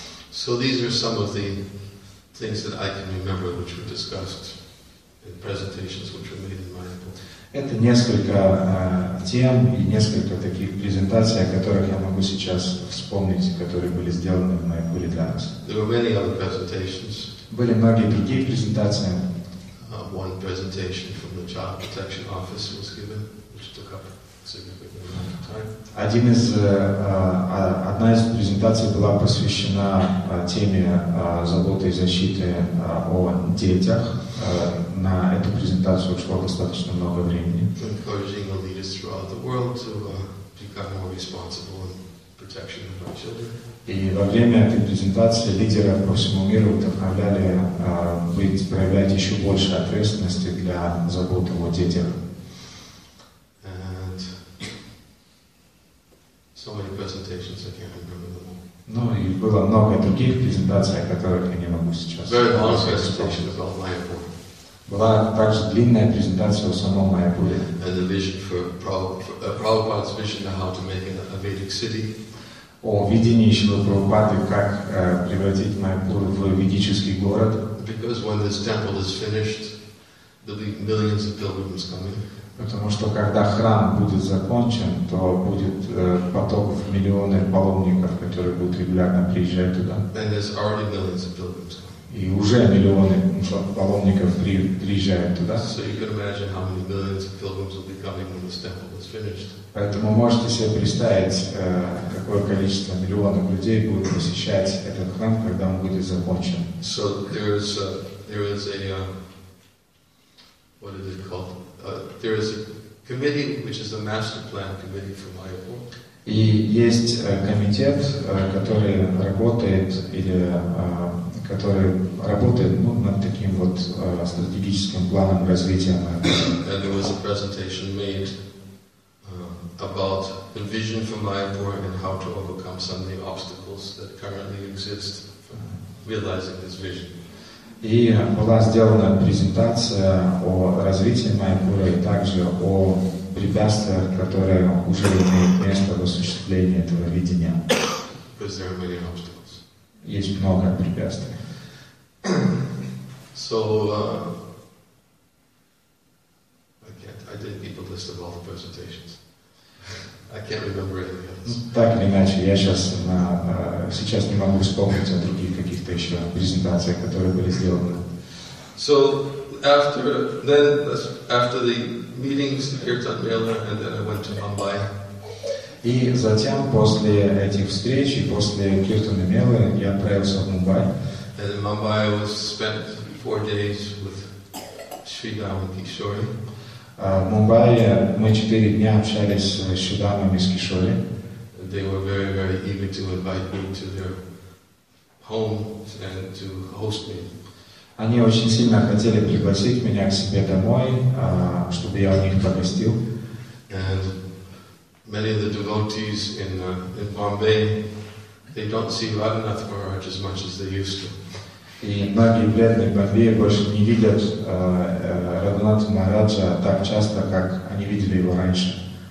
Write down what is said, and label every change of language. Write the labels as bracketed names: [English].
[English] So these are some of the things that I can remember which were discussed in presentations which were made in my book. [Russian] Это несколько тем и несколько таких презентаций, о которых я могу сейчас вспомнить, которые были сделаны в моей пыли для нас. [English] There were many other presentations. [Russian] Были многие другие презентации. [English] One presentation from the Child Protection Office was given, which took up a significant amount of time. [Russian] Одна из презентаций была посвящена теме заботы и защиты о детях. На эту презентацию ушло достаточно много времени. [English] Encouraging the leaders throughout the world to become more responsible in protection of our children. [Russian] И во время этой презентации лидеры по всему миру вдохновляли проявлять еще больше ответственности для заботы о детях. [English] And so many presentations, I can't remember them all. [Russian] Ну и было много других презентаций, о которых я не могу сейчас. [English] Very long presentation about Mayapur. [Russian] Была также длинная презентация о самом Майяпуре. [English] And the vision for Prabhupada's vision of how to make it a Vedic city. [Russian] О видении Шрилы Прабхупады, как превратить Майяпур в ведический город. [English] Because when this temple is finished, there'll be millions of pilgrims coming. [Russian] Потому что когда храм будет закончен, то будет поток в миллионы паломников, которые будут регулярно приезжать туда. [English] And there's already millions of pilgrims coming. [Russian] И уже миллионы паломников приезжают туда. [English] So you can imagine how many millions of pilgrims will be coming when this temple is finished. [Russian] Поэтому можете себе представить, какое количество миллионов людей будет посещать этот храм, когда он будет закончен. [English] So there is a committee which is a master plan committee for Mayapur. [Russian] И есть комитет, который работает или который работает над таким вот стратегическим планом развития Майяпура. [English] And there was a presentation made about the vision for Mayapur and how to overcome some of the obstacles that currently exist for realizing this vision. [Russian] И была сделана презентация о развитии Майяпура и также о препятствиях, которые уже имеют место в осуществлении этого видения. [English] Because there are many obstacles. [Russian] Есть много препятствий. [English] So I didn't keep a list of all the presentations. I can't remember any of them. [Russian] Так или иначе, я сейчас не могу вспомнить о других каких-то еще презентациях, которые были сделаны. [English] So after the meetings, Kirtan Mela, and then I went to Mumbai. [Russian] И затем после этих встреч и после Киртана Мела я отправился в Мумбай. [English] And in Mumbai I was spent 4 days with Sri Dhaman Kishori. [Russian] В Мумбаи мы 4 дня общались с Шри Дхамой из Кишори. [English] They were very, very eager to invite me to their homes and to host me. [Russian] Они очень сильно хотели пригласить меня к себе домой, чтобы я у них погостил. [English] And many of the devotees in Bombay, they don't see Raghunath Maharaj as much as they used to. [Russian] И многие преданные Бомбея больше не видят Раганатха Махараджа так часто, как они видели его раньше.